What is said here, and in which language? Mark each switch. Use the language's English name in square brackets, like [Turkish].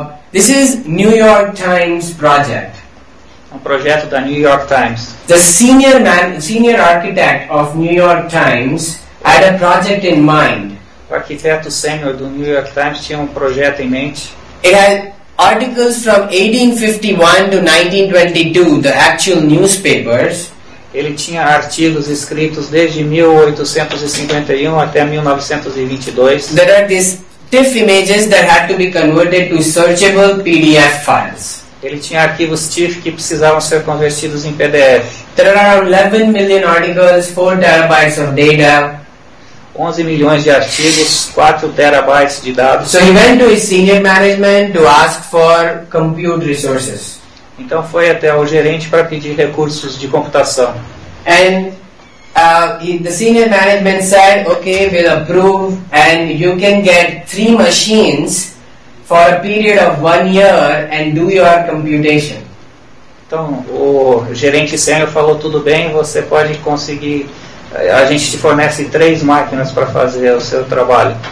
[English] This is New York Times project. [Portuguese] Um projeto da New York Times. [English] The senior architect of New York Times had a project in mind. [Portuguese] O arquiteto sênior do New York Times tinha um projeto em mente. [English] It had articles from 1851 to 1922, the actual newspapers. [Portuguese] Ele tinha artigos escritos desde 1851 até 1922. [English] There are these TIFF images that had to be converted to searchable PDF files. [Portuguese] Ele tinha arquivos TIFF que precisavam ser convertidos em PDF. [English] There are 11 million articles, 4 terabytes of data. [Portuguese] 11 milhões de artigos, 4 terabytes de dados. [English] So he went to his senior management to ask for compute resources. [Portuguese] Então foi até o gerente para pedir recursos de computação. [English] And the senior management said, okay, we'll approve and you can get 3 machines for a period of 1 year and do your computation. [Portuguese] Então o gerente sênior falou, tudo bem, você pode conseguir, a gente te fornece 3 máquinas para fazer o seu trabalho.